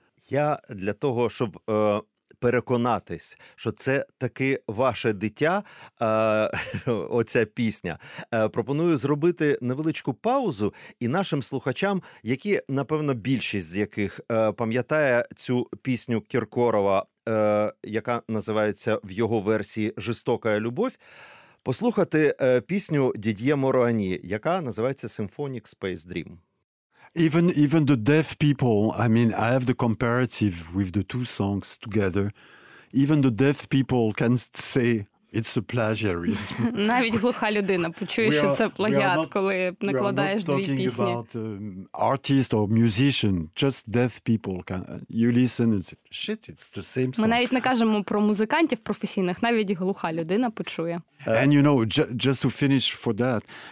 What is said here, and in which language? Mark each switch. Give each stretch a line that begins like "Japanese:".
Ukrainian: Я для того, щоб переконатись, що це таки ваше дитя, оця пісня, пропоную зробити невеличку паузу і нашим слухачам, які, напевно, більшість з яких пам'ятає цю пісню Кіркорова, яка називається в його версії «Жестока любов», послухати пісню Дід'є Мороані, яка називається «Symphonic Space Dream».
English: Even the deaf people, I mean, I have the comparative with the two songs together. Even the deaf people can say it's a plagiarism.
Ukrainian: Навіть глуха людина почує, що це плагіат, коли накладаєш дві пісні.
English: We are not talking about artist or musician, just deaf people. You listen and say, shit, it's the same song.
Ukrainian: Ми навіть не кажемо про музикантів професійних, навіть глуха людина почує.
English: And you know, just to finish for that...